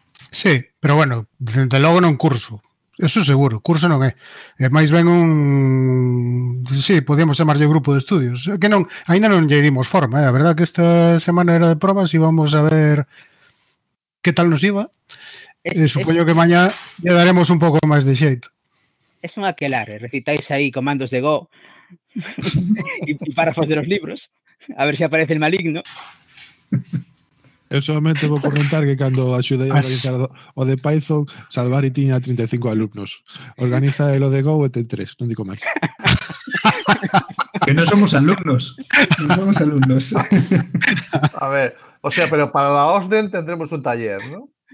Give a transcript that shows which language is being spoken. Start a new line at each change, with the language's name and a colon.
Galician: Sí, pero bueno, desde logo non curso, eso seguro, curso non é. É máis ben un... Sí, podíamos chamarlle grupo de estudios, que non, ainda non lle dimos forma, a verdad que esta semana era de probas e vamos a ver que tal nos iba. Supoño que mañá lle daremos un pouco máis de xeito.
Spanish: Es un aquelarre, recitáis aí comandos de Go e párrafos de los libros. A ver se aparece el maligno.
Galician: Eu solamente vou comentar que cando axudei a organizar o de Python, Salvari tiña 35 alumnos. Organiza el o de Go e ten 3, non digo máis. Que non somos alumnos. Non somos alumnos.
Spanish: A ver, o sea, pero para la OSDEN tendremos un taller, ¿no?